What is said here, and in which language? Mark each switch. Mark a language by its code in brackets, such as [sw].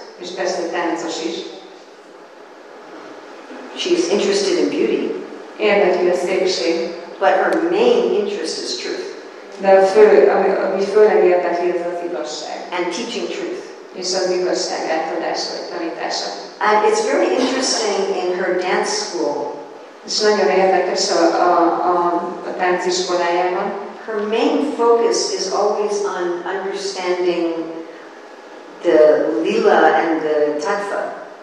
[hu] És persze táncos is. [en] She's interested in beauty. [hu] Érdekli a szépség. [en] But her main interest is truth. [hu] De a fő, ami főleg érdekli, az az igazság. [en] And teaching truth. [hu] És az igazság átadása vagy tanítása. [en] And it's very interesting in her dance school. [hu] És nagyon érdekes a tánciskolájában. [en] Her main focus is always on understanding the lila and the tattva.